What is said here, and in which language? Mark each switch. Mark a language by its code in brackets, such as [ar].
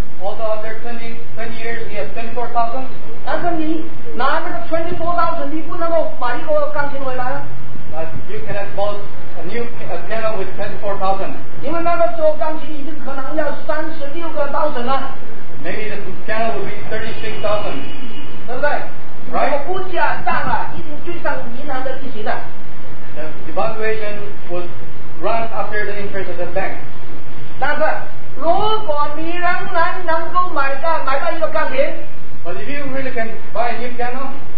[en] Although after 20 years, we have 24,000. [zh] 但是你拿那个 24,000, 你不能够买一个钢琴回来。 [en] But you cannot bought a new piano with 24,000. [zh] 因为那个时候钢琴已经可能要36,000了。 [en] Maybe the piano would be 36,000. [zh] 对不对? [en] Right? [zh] 如果物价涨了，一定追上银行的利息的。 [en] The valuation would run after the interest of the bank. [zh] 但是。如果你仍然能够买到一个钢琴， [en] but if you really can buy a new piano,